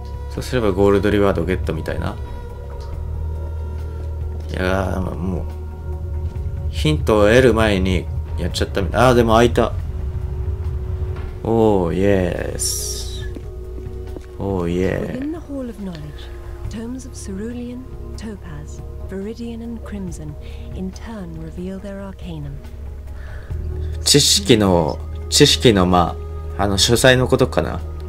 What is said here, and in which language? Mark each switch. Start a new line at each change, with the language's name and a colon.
Japanese: そうすればゴールドリワードゲットみたいな。いやー、もうヒントを得る前にやっちゃったみたい。あーでも開いた。
English: おー、イエース、おー、イエース。 Within the Hall of Knowledge, tomes of Cerulean, Topaz, Viridian and Crimson in turn reveal their arcanum.
Japanese: 知識の、知識の、まあ、あの書斎のことかな。